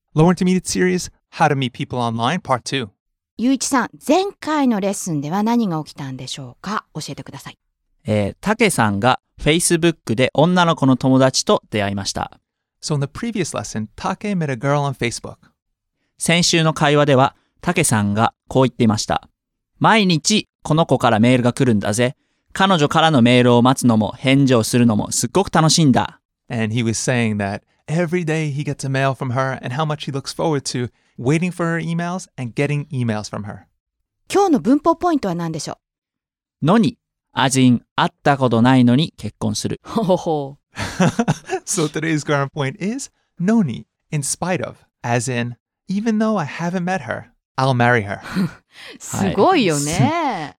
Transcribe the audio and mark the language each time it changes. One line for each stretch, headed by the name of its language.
English: Learn to Meet It Series, How to Meet People Online, Part 2.
Japanese: ユイチさん、前回のレッスンでは何が起きたんでしょうか？教えてください。タケさんが Facebook で女の子の友達と出会いました。
English: So in the previous lesson, Take met a girl on Facebook.
Japanese: 先週の会話では、タケさんがこう言っていました。毎日この子からメールが来るんだぜ。彼女からのメールを待つのも返事をするのもすっごく楽しいんだ。
English: And he was saying that every day he gets a mail from her and how much he looks forward to waiting for her emails and getting emails from her.
Japanese: 今日の文法ポイントは何でしょう？のに、
English: as in、
Japanese: 会ったことないのに結婚する。ほほ。
English: So today's grammar point is, のに、in spite of, as in, even though I haven't met her, I'll marry her.
Japanese: すごいよね。